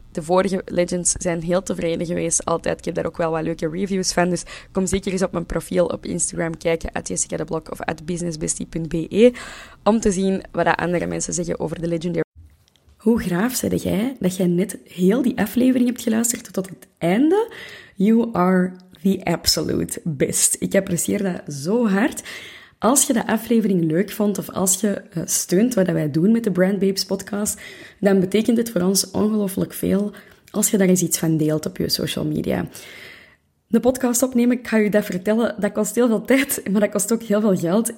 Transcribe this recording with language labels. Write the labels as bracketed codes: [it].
[nl] De vorige legends zijn heel tevreden geweest altijd. Ik heb daar ook wel wat leuke reviews van. Dus kom zeker eens op mijn profiel op Instagram kijken. @jessicadeblok of @businessbestie.be. Om te zien wat andere mensen zeggen over de legendary. Hoe graaf zei jij dat jij net heel die aflevering hebt geluisterd tot het einde? [en] You are the absolute best. [nl] Ik apprecieer dat zo hard. Als je de aflevering leuk vond of als je steunt wat wij doen met de Brand Babes podcast, dan betekent het voor ons ongelooflijk veel als je daar eens iets van deelt op je social media. De podcast opnemen, ik ga je dat vertellen, dat kost heel veel tijd, maar dat kost ook heel veel geld.